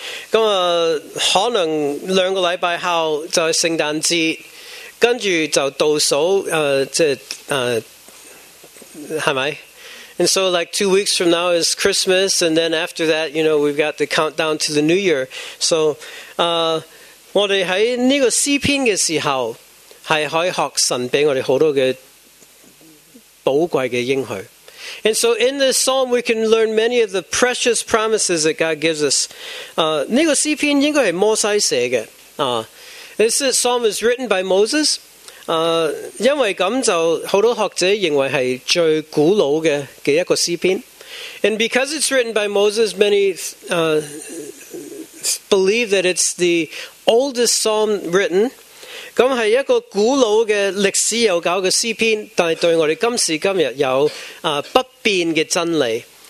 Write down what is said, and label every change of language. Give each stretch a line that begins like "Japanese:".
Cantonese: 咁啊，可能两个礼拜后就系圣诞节，跟住就倒数，系咪
English: ？And so like 2 weeks from now is Christmas, and then after that, you know, we've got the countdown to the New Year.
Cantonese: So, 我哋喺呢个诗篇嘅时候，系可以学神俾我哋好多嘅宝贵嘅应许。
English: And so in this psalm, we can learn many of the precious promises that God gives us.
Cantonese: 呢个诗篇应该系摩西写嘅。
English: This psalm is written by Moses.
Cantonese: 因为咁就好多学者认为系最古老嘅一个诗篇。
English: And because it's written by Moses, many believe that it's the oldest psalm written.
Cantonese: 咁係一個古老嘅歷史悠久嘅詩篇，但係對我哋今時今日有不變嘅真理。